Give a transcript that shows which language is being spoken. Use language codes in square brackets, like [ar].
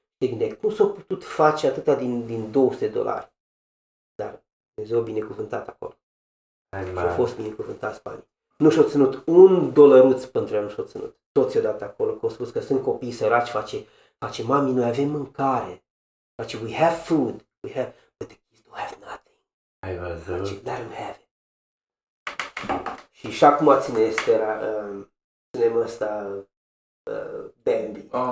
[ro] Gândi, cum s-au putut face atâta din $200? Dar Dumnezeu a binecuvântat acolo. Și au fost binecuvântați banii. Nu și-au ținut un dolăruț pentru ea, nu și-au ținut. Toți i-au dat acolo, că au spus că sunt copii săraci, face, mami, noi avem mâncare. Face, [en] we have food, we have, but the kids don't have nothing. [ro] Ai văzut? Face, [en] they don't have it. [ro] Și acum ține Estera, ținem ăsta Bambi.